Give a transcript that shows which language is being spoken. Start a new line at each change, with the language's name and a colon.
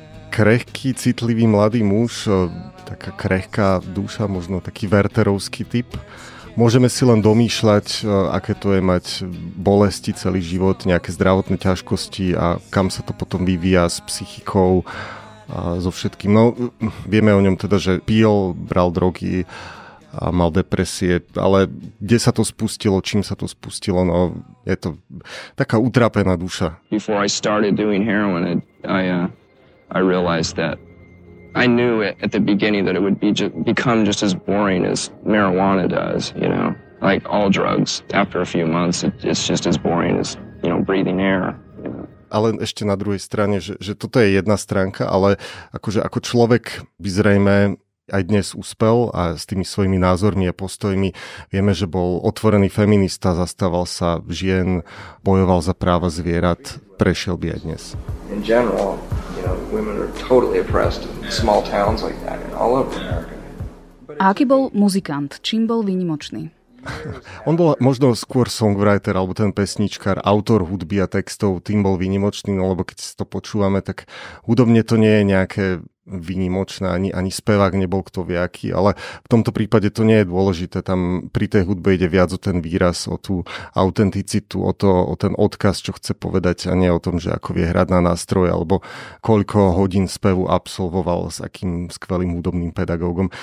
Slovak: Krehký, citlivý, mladý muž. Taká krehká duša, možno taký werterovský typ. Môžeme si len domýšľať, aké to je mať bolesti celý život, nejaké zdravotné ťažkosti a kam sa to potom vyvíja s psychikou a so všetkým. No, vieme o ňom teda, že pil, bral drogy a mal depresie, ale kde sa to spustilo, čím sa to spustilo, no, je to taká utrapená duša.
English: Before I started doing heroin, I realized that I knew it at the beginning that it would be become just as boring as marijuana does, you know, like all drugs. After a few months, it's just as boring as, you know, breathing air. You know?
Slovak: Ale ešte na druhej strane, že toto je jedna stránka, ale akože ako človek by zrejme aj dnes uspel a s tými svojimi názormi a postojmi. Vieme, že bol otvorený feminista, zastával sa žien, bojoval za práva zvierat, prešiel by aj dnes.
English: In general, you know, women are totally oppressed in small towns like that in all over America.
Slovak: A aký bol muzikant? Čím bol výnimočný? On bol možno skôr songwriter alebo ten pesničkár, autor hudby a textov, tým bol výnimočný, no lebo keď si to počúvame, tak hudobne to nie je nejaké výnimočné, ani spevák nebol kto viaký, ale v tomto prípade to nie je dôležité, tam pri tej hudbe ide viac o ten výraz, o tú autenticitu, o ten odkaz, čo chce povedať, a nie o tom, že ako vie hrať na nástroj, alebo koľko hodín spevu absolvoval s akým skvelým hudobným pedagógom.